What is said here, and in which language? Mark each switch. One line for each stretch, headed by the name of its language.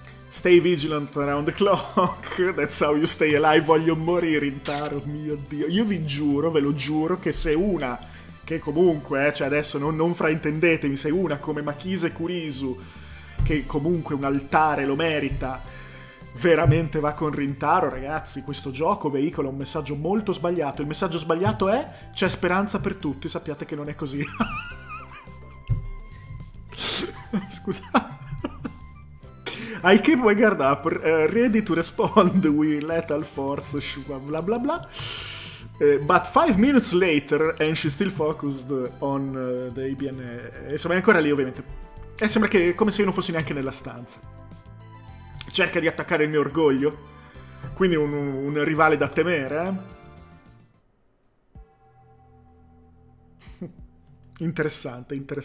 English: Stay vigilant around the clock, that's how you stay alive.
Italian: Voglio morire, Rintaro, mio Dio. Io vi giuro, ve lo giuro, che se una... che comunque, cioè adesso non fraintendetemi, sei una come Makise Kurisu, che comunque un altare lo merita, veramente va con Rintaro, ragazzi, questo gioco veicola un messaggio molto sbagliato. Il messaggio sbagliato è: c'è speranza per tutti, sappiate che non è così. Scusa.
English: I keep my guard up, ready to respond with lethal force, bla bla bla. But 5 minutes later, and she's still focused on the IBN.
Italian: Insomma, è ancora lì, ovviamente. E sembra che, come se io non fossi neanche nella stanza. Cerca di attaccare il mio orgoglio. Quindi un rivale da temere, eh? Interessante.